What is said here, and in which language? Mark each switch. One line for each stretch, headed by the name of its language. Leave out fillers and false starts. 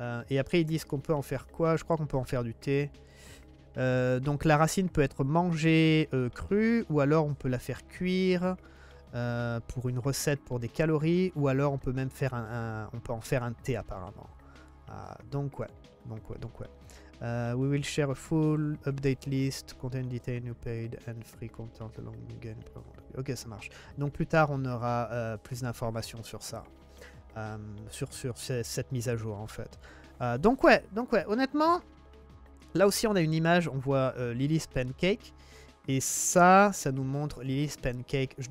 French: Et après ils disent qu'on peut en faire quoi? Je crois qu'on peut en faire du thé. Donc la racine peut être mangée crue, ou alors on peut la faire cuire pour une recette pour des calories, ou alors on peut même faire on peut en faire un thé apparemment. Donc ouais.
English: We will share a full update list, content detail, new paid and free content along the game.
French: Ok, ça marche. Donc plus tard, on aura plus d'informations sur ça, sur cette mise à jour en fait. Donc ouais. Honnêtement, là aussi, on a une image. On voit Lily's Pancake et ça nous montre Lily's Pancake.